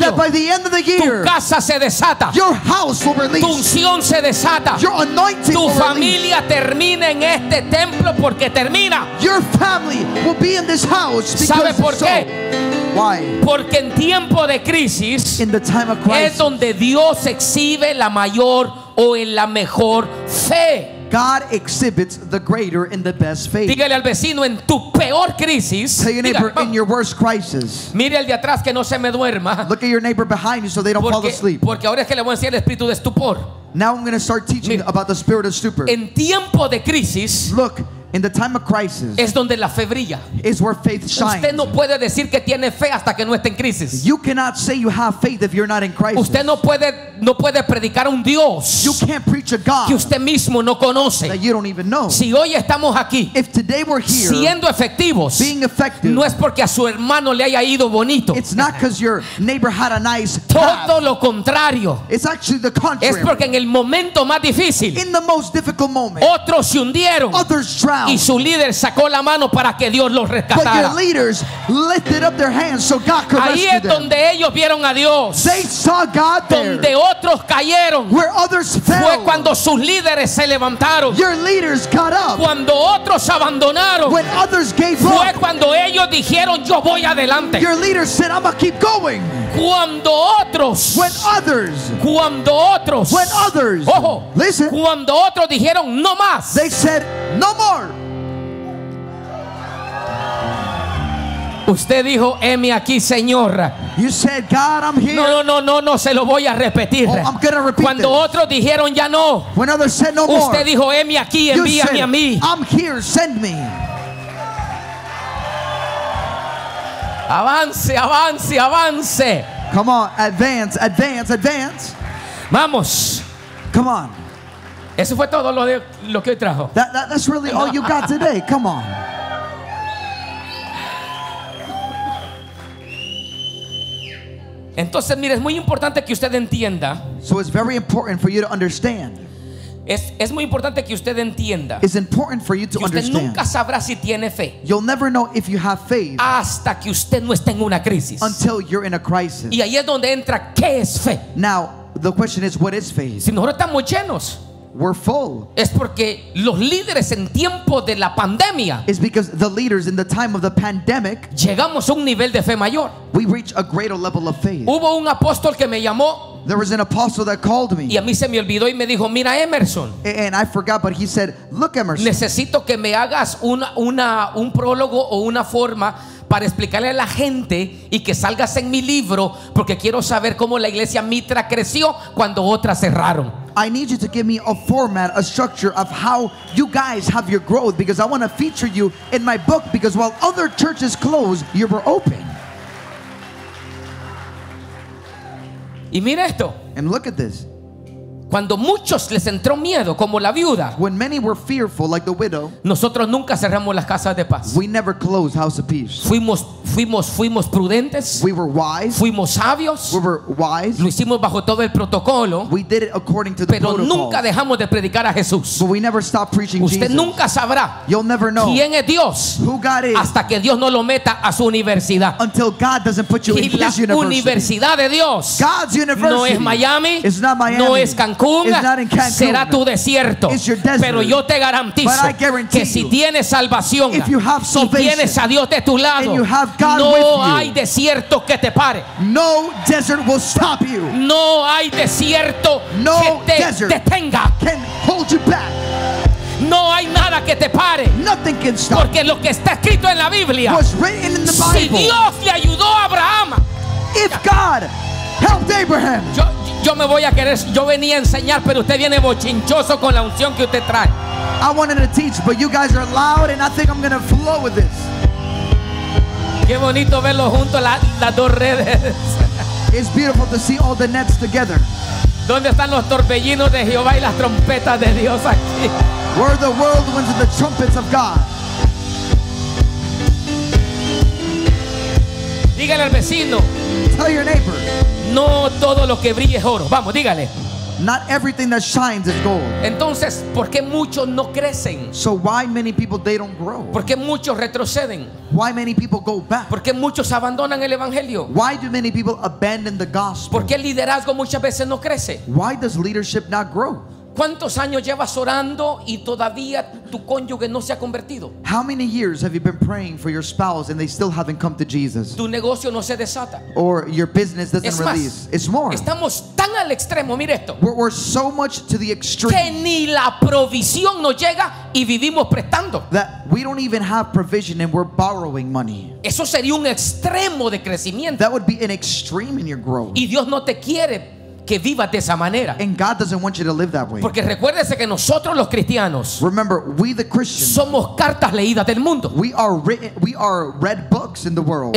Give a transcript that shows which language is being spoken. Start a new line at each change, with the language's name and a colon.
English: that by the end of the year,
Spanish: tu casa se desata,
English: your house will release,
Spanish: tu unción se desata,
English: your anointing,
Spanish: tu
English: will
Spanish: familia
English: release,
Spanish: termina en este templo porque termina.
English: Your family will be in this house because
Spanish: ¿sabe por qué?
English: Why?
Spanish: Porque en tiempo de crisis,
English: in the time of crisis
Spanish: es donde Dios exhibe la mayor o en la mejor fe.
English: God exhibits the greater and the best faith.
Spanish: Dígale al vecino en tu peor crisis.
English: Tell your neighbor, in your worst crisis.
Spanish: Mire al de atrás que no se me duerma.
English: Look at your neighbor behind you so they don't
Spanish: porque,
English: fall asleep.
Spanish: Porque ahora es que le voy a enseñar el espíritu de estupor.
English: Now I'm going to start teaching
Spanish: mire,
English: about the spirit of stupor.
Spanish: En tiempo de crisis.
English: Look. In the time of crisis,
Spanish: es donde la fe brilla.
English: Is where faith shines.
Spanish: Usted no puede decir que tiene fe hasta que no esté en crisis.
English: You cannot say you have faith if you're not in crisis.
Spanish: Usted no puede predicar un Dios.
English: You can't preach a God
Spanish: que usted mismo no conoce.
English: That you don't even know.
Spanish: Si hoy estamos aquí,
English: if today we're here,
Spanish: siendo efectivos,
English: being effective,
Spanish: no es porque a su hermano le haya ido bonito.
English: It's not because your neighbor had a nice path.
Spanish: Todo lo contrario.
English: It's actually the contrary.
Spanish: Es porque en el momento más difícil,
English: in the most difficult moment,
Spanish: otros se hundieron.
English: Others drowned.
Spanish: Y su líder sacó la mano para que Dios los rescatara.
English: But leaders lifted up their hands so God could
Spanish: ahí es donde
English: them.
Spanish: Ellos vieron a Dios.
English: They saw God there.
Spanish: Donde otros cayeron.
English: Where others fell.
Spanish: Fue cuando sus líderes se levantaron.
English: Your leaders got up.
Spanish: Cuando otros abandonaron.
English: When others gave
Spanish: fue
English: up.
Spanish: Fue cuando ellos dijeron yo voy adelante.
English: Your leaders said I'm gonna keep going.
Spanish: Cuando otros.
English: When others.
Spanish: Cuando otros.
English: When others.
Spanish: Ojo.
English: Listen.
Spanish: Cuando otros dijeron no más.
English: They said no more.
Spanish: Usted dijo, "Heme aquí, Señor."
English: You said, "God, I'm here."
Spanish: No, se lo voy a repetir.
English: Oh, I'm gonna repeat
Spanish: cuando
English: this.
Spanish: Otros dijeron, "Ya no."
English: When others said no more.
Spanish: Usted dijo, "Heme aquí, envíame
English: said,
Spanish: a mí."
English: I'm here, send me.
Spanish: Avance, avance, avance.
English: Come on, advance, advance, advance.
Spanish: Vamos.
English: Come on.
Spanish: Eso fue todo lo que hoy trajo.
English: That's really all you got today. Come on.
Spanish: Entonces, mire, es muy importante que usted entienda.
English: So it's very important for you to understand.
Spanish: Es muy importante que usted entienda.
English: It's important for you to understand.
Spanish: Que usted nunca sabrá si tiene fe.
English: You'll never know if you have faith.
Spanish: Hasta que usted no esté en una crisis.
English: Until you're in a crisis.
Spanish: Y ahí es donde entra qué es fe.
English: Now, the question is, what is faith?
Spanish: Si nosotros estamos llenos.
English: We're full.
Spanish: Es porque los líderes en tiempo de la pandemia.
English: It's because the leaders in the time of the pandemic.
Spanish: Llegamos a un nivel de fe mayor.
English: We reach a greater level of faith.
Spanish: Hubo un apóstol que me llamó.
English: There was an apostle that called me.
Spanish: Y a mí se me olvidó y me dijo, mira Emerson.
English: And I forgot, but he said, look Emerson.
Spanish: Necesito que me hagas un prólogo o una forma para explicarle a la gente y que salgas en mi libro porque quiero saber cómo la iglesia Mitra creció cuando otras cerraron.
English: I need you to give me a format, a structure of how you guys have your growth because I want to feature you in my book because while other churches closed, you were open.
Spanish: Y mira esto.
English: And look at this.
Spanish: Cuando muchos les entró miedo, como la viuda,
English: when many were fearful, like the widow,
Spanish: nosotros nunca cerramos las casas de paz.
English: We never closed House of Peace.
Spanish: Fuimos prudentes.
English: We were wise.
Spanish: Fuimos sabios.
English: We were wise.
Spanish: Lo hicimos bajo todo el protocolo.
English: We did it according to the
Spanish: pero
English: protocol.
Spanish: Nunca dejamos de predicar a Jesús.
English: But we never stopped preaching
Spanish: usted
English: Jesus.
Spanish: Nunca sabrá
English: you'll never know
Spanish: quién es Dios
English: who God is
Spanish: hasta que Dios no lo meta a su universidad.
English: Until God doesn't put you
Spanish: y
English: in his university.
Spanish: La universidad de Dios
English: God's university
Spanish: no es Miami,
English: it's not Miami.
Spanish: No es Cancún.
English: It's not in Cancun.
Spanish: Será tu desierto.
English: It's your desert.
Spanish: Pero yo te garantizo que si tienes salvación,
English: if you have salvation,
Spanish: si tienes a Dios de tu lado,
English: and you have God
Spanish: no
English: with you,
Spanish: hay desierto que te pare.
English: No desert will stop you.
Spanish: No hay desierto
English: no
Spanish: que te
English: desert
Spanish: detenga.
English: Can hold you back.
Spanish: No hay nada que te pare.
English: Nothing can stop.
Spanish: Porque lo que está escrito en la Biblia,
English: was written in the Bible.
Spanish: Si Dios le ayudó a Abraham,
English: if God helped Abraham.
Spanish: Yo me voy a querer, yo venía a enseñar, pero usted viene bochinchoso con la unción que usted trae.
English: I wanted to teach, but you guys are loud, and I think I'm going to flow with this.
Spanish: Qué bonito verlo junto las dos redes.
English: It's beautiful to see all the nets together.
Spanish: ¿Dónde están los torbellinos de Jehová y las trompetas de Dios aquí?
English: Where are the whirlwinds and the trumpets of God?
Spanish: Dígale al vecino.
English: Tell your neighbor.
Spanish: No todo lo que brille es oro. Vamos, dígale.
English: Not everything that shines is gold.
Spanish: Entonces, ¿por qué muchos no crecen?
English: So why many people they don't grow?
Spanish: ¿Por qué muchos retroceden?
English: Why many people go back?
Spanish: ¿Por qué muchos abandonan el evangelio?
English: Why do many people abandon the gospel?
Spanish: ¿Por qué el liderazgo muchas veces no crece?
English: Why does leadership not grow?
Spanish: ¿Cuántos años llevas orando y todavía tu cónyuge no se ha convertido?
English: How many years have you been praying for your spouse and they still haven't come to Jesus?
Spanish: Tu negocio no se desata.
English: Or your business doesn't
Spanish: es más,
English: release. It's more.
Spanish: Estamos tan al extremo, mire esto.
English: We're so much to the extreme.
Spanish: Que ni la provisión nos llega y vivimos prestando.
English: That we don't even have provision and we're borrowing money.
Spanish: Eso sería un extremo de crecimiento.
English: That would be an extreme in your growth.
Spanish: Y Dios no te quiere que vivas de esa manera.
English: And God doesn't want you to live that way.
Spanish: Porque recuérdese que nosotros los cristianos,
English: remember, we the Christians,
Spanish: somos cartas leídas del mundo.
English: We are read books in the world.